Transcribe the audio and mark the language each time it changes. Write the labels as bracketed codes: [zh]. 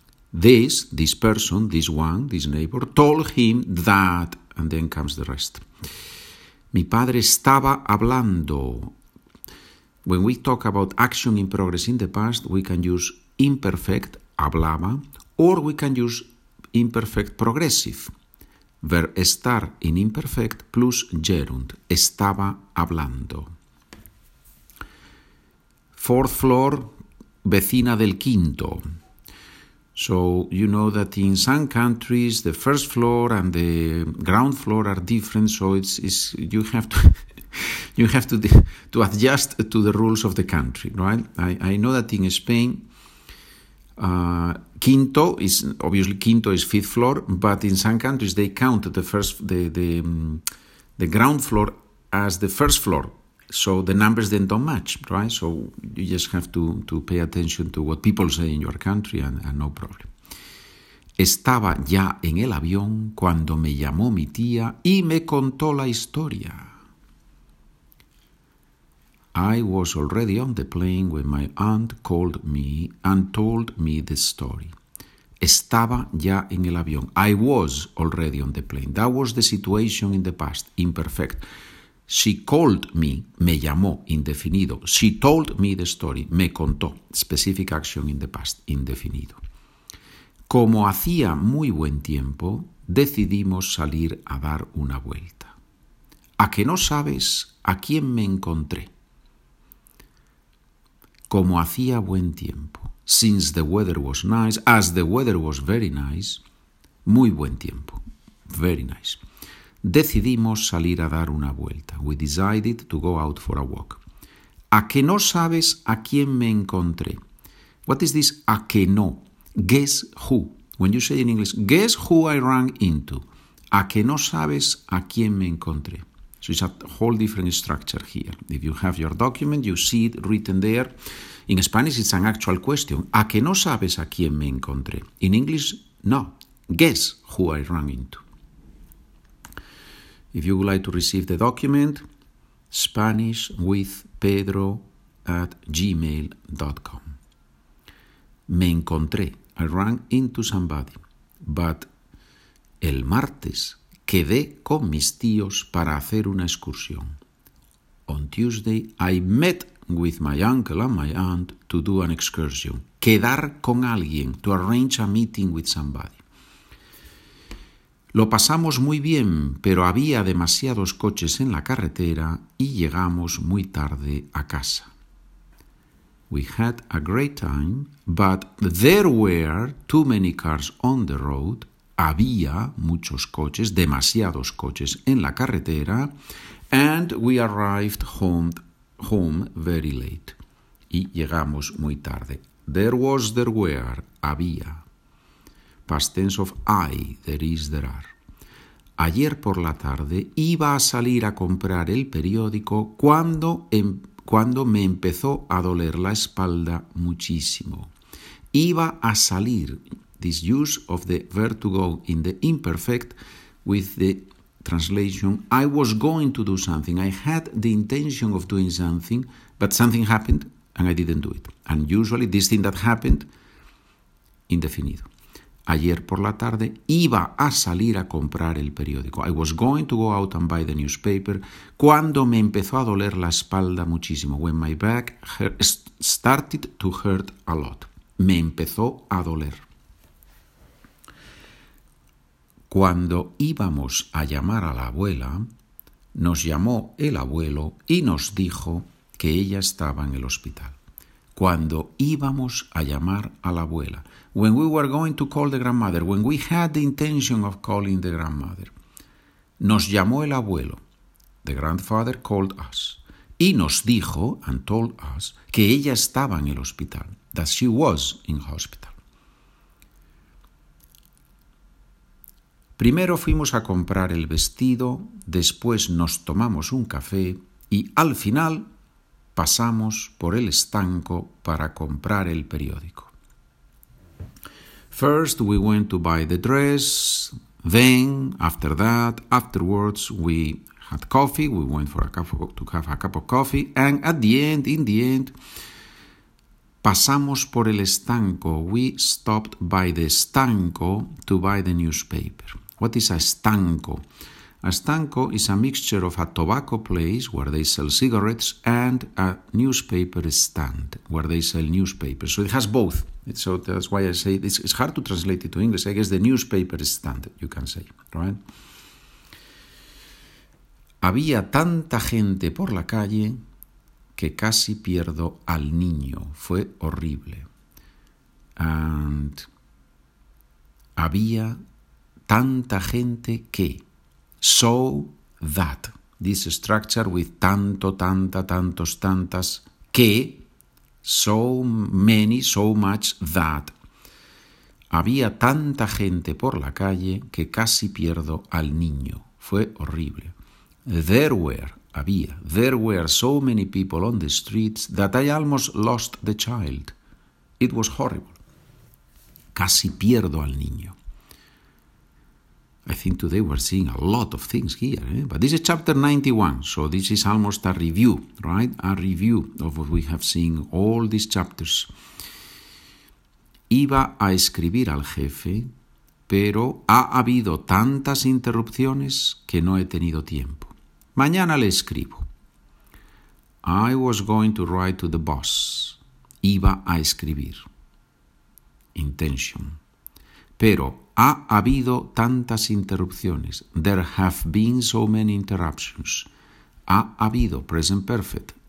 [en] This person, this one, this neighbor, told him that, and then comes the rest. [es] Mi padre estaba hablando. [en] When we talk about action in progress in the past, we can use imperfect, hablaba, or we can use imperfect progressive. Ver estar in imperfect plus gerund, [es] estaba hablando. [en] Fourth floor, [es] vecina del quinto. [en] So, you know that in some countries, the first floor and the ground floor are different, so it's you have to adjust to the rules of the country, right? I know that in Spain, quinto is, obviously, quinto is fifth floor, but in some countries they count the ground floor as the first floor, so the numbers then don't match, right? So you just have to pay attention to what people say in your country and no problem. [es] Estaba ya en el avión cuando me llamó mi tía y me contó la historia. [en] I was already on the plane when my aunt called me and told me the story. [es] Estaba ya en el avión. [en] I was already on the plane. That was the situation in the past, imperfect. She called me, [es] me llamó, [en] indefinido. She told me the story, [es] me contó. [en] Specific action in the past, indefinido. [es] Como hacía muy buen tiempo, decidimos salir a dar una vuelta. ¿A qué no sabes a quién me encontré? Como hacía buen tiempo, [en] since the weather was nice, as the weather was very nice, [es] muy buen tiempo, [en] very nice, [es] decidimos salir a dar una vuelta. [en] We decided to go out for a walk. [es] ¿A que no sabes a quién me encontré? [en] What is this [es] a que no? [en] Guess who? When you say in English, guess who I ran into? [es] ¿A que no sabes a quién me encontré? [en] So it's a whole different structure here. If you have your document, you see it written there. In Spanish, it's an actual question. [es] ¿A que no sabes a quién me encontré? [en] In English, no. Guess who I ran into. If you would like to receive the document, SpanishwithPedro@gmail.com. [es] Me encontré. [en] I ran into somebody. But [es] el martes... quedé con mis tíos para hacer una excursión. [en] On Tuesday, I met with my uncle and my aunt to do an excursion. [es] Quedar con alguien, [en] to arrange a meeting with somebody. [es] Lo pasamos muy bien, pero había demasiados coches en la carretera y llegamos muy tarde a casa. [en] We had a great time, but there were too many cars on the road. [es] Había muchos coches, demasiados coches en la carretera, [en] and we arrived home very late. [es] Y llegamos muy tarde. [en] There were. [es] Había. [en] past tense of I, there is, there are. [es] Ayer por la tarde iba a salir a comprar el periódico cuando me empezó a doler la espalda muchísimo. Iba a salir, [en] this use of the verb to go in the imperfect with the translation, I was going to do something, I had the intention of doing something, but something happened and I didn't do it. And usually this thing that happened, indefinido. [es] Ayer por la tarde iba a salir a comprar el periódico. [en] I was going to go out and buy the newspaper [es] cuando me empezó a doler la espalda muchísimo. [en] When my back started to hurt a lot. [es] Me empezó a doler. Cuando íbamos a llamar a la abuela, nos llamó el abuelo y nos dijo que ella estaba en el hospital. Cuando íbamos a llamar a la abuela. [en] When we were going to call the grandmother, when we had the intention of calling the grandmother. [es] Nos llamó el abuelo. [en] The grandfather called us. [es] Y nos dijo, [en] and told us, [es] que ella estaba en el hospital. [en] That she was in hospital. [es] Primero fuimos a comprar el vestido, después nos tomamos un café y al final pasamos por el estanco para comprar el periódico. [en] First we went to buy the dress, then after that, afterwards we had coffee, we went for a cup of, to have a cup of coffee, and at the end, in the end, [es] pasamos por el estanco, [en] we stopped by the estanco to buy the newspaper. What is a estanco? A estanco is a mixture of a tobacco place where they sell cigarettes and a newspaper stand where they sell newspapers. So it has both. So that's why I say it's hard to translate it to English. I guess the newspaper stand, you can say, right? [es] Había tanta gente por la calle que casi pierdo al niño. Fue horrible. And había tanta gente que. [en] So that, this structure with tanto, tanta, tantos, tantas, que, so many, so much, that. [es] Había tanta gente por la calle que casi pierdo al niño. Fue horrible. [en] There were so many people on the streets that I almost lost the child. It was horrible. [es] Casi pierdo al niño. [en] I think today we're seeing a lot of things here. Eh? But this is chapter 91, so this is almost a review, right? A review of what we have seen, all these chapters. [es] Iba a escribir al jefe, pero ha habido tantas interrupciones que no he tenido tiempo. Mañana le escribo. [en] I was going to write to the boss. [es] Iba a escribir. Intention. Pero ha habido tantas interrupciones. [en] There have been so many interruptions. [es] Ha habido, [en] present perfect.